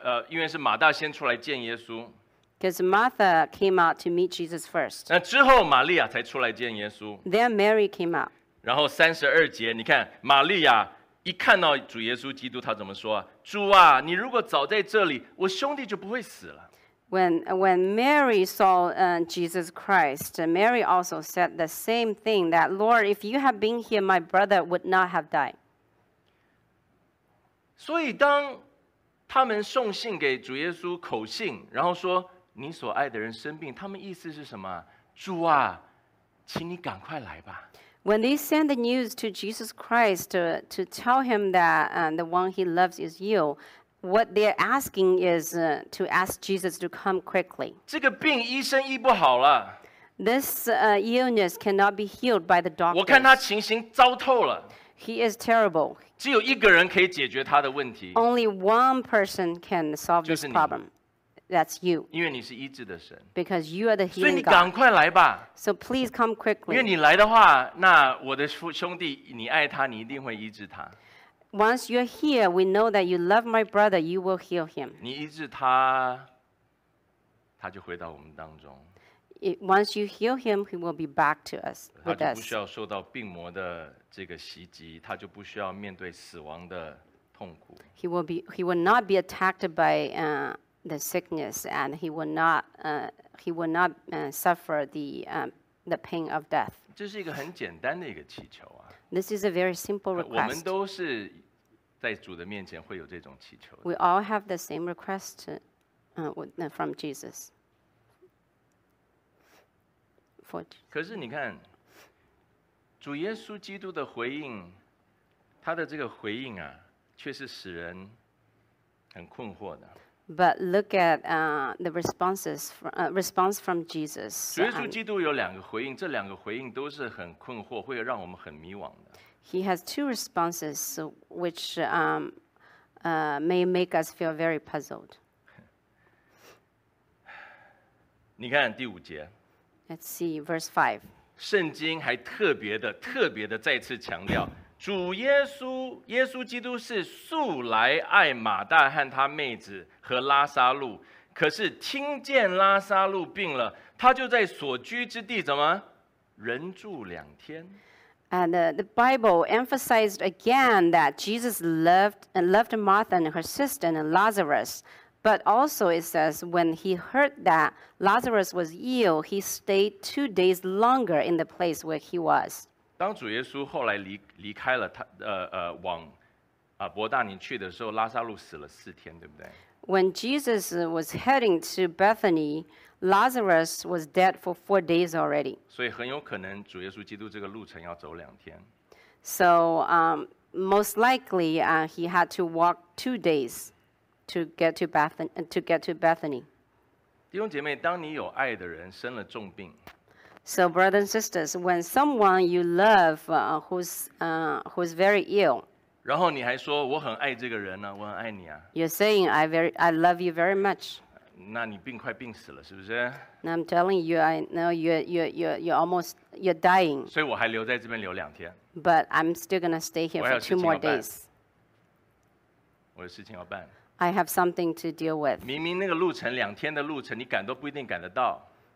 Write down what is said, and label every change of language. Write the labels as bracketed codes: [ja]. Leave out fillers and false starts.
[zh] 因为是马大先出来见耶稣。 [en] Because Martha came out to meet Jesus first. [zh] 那之后玛利亚才出来见耶稣。 [en] Then Mary came out. [zh] 然后三十二节，你看玛利亚一看到主耶稣基督，她怎么说啊？主啊，你如果早在这里，我兄弟就不会死了。 [en] When Mary saw Jesus Christ, Mary also said the same thing, that Lord, if you had been here, my brother would not have died. [zh] 所以当他们送信给主耶稣口信，然后说你所爱的人生病，他们意思是什么？主啊，请你赶快来吧。 [en] When they send the news to Jesus Christ to tell him that the one he loves is you,What they're asking is to ask Jesus to come quickly. [zh] 这个病医生医不好了。 [en] This illness cannot be healed by the doctor. [zh] 我看他情形糟透了。 [en] He is terrible. [zh] 只有一个人可以解决他的问题。 [en] Only one person can solve this problem. That's you. [zh] 因为你是医治的神。 [en] Because you are the healing God. [zh] 所以你赶快来吧。 [en] So please come quickly. [zh] 因为你来的话，那我的兄弟，你爱他，你一定会医治他。 [en] Once you're here, we know that you love my brother, you will heal him. [zh] 你医治他，他就回到我们当中。 [en] Once you heal him, he will be back to us. [zh] 他就不需要受到病魔的这个袭击，他就不需要面对死亡的痛苦。 [en] He will not be attacked by the sickness, and he will not suffer the pain of death. [zh] 这是一个很简单的一个祈求啊。 [en] This is a very simple request. [zh] 我们都是在主的面前会有这种祈求的。 [en] We all have the same request from Jesus. [zh] 可是你看，主耶稣基督的回应，他的这个回应啊，却是使人很困惑的。 [en] But look at the responses from, response from Jesus. [zh] 主耶稣基督有两个回应，这两个回应都是很困惑，会让我们很迷惘的。 [en] He has two responses which may make us feel very puzzled. [zh] 你看第五节。 [en] Let's see verse five. [zh] 圣经还特别的再次强调。主耶稣基督是素来爱马大和他妹子和拉撒路，可是听见拉撒路病了，他就在所居之地怎么人住两天。 [en] And the Bible emphasized again that Jesus loved Martha and her sister and Lazarus, but also it says when he heard that Lazarus was ill, he stayed 2 days longer in the place where he was. [zh] 当主耶稣后来 离开了他往伯大尼去的时候，拉撒路死了四天，对不对？ [en] When Jesus was heading to Bethany, Lazarus was dead for 4 days already. [zh] 所以很有可能主耶稣基督这个路程要走两天。 [en] So most likely he had to walk 2 days to get to Bethany. [zh] 弟兄姐妹，当你有爱的人生了重病。 [en] So, brothers and sisters, when someone you love who's very ill, [zh] 然后你还说我很爱这个人呢、啊，我很爱你啊。 [en] You're saying I love you very much. [zh] 那你病快病死了，是不是？ [en] Now I'm telling you, I know you're almost dying. [zh] 所以我还留在这边留两天。 [en] But I'm still gonna stay here for two more days. [zh] 我有事情要办。 [en] I have something to deal with. [zh] 明明那个路程两天的路程，你赶都不一定赶得到。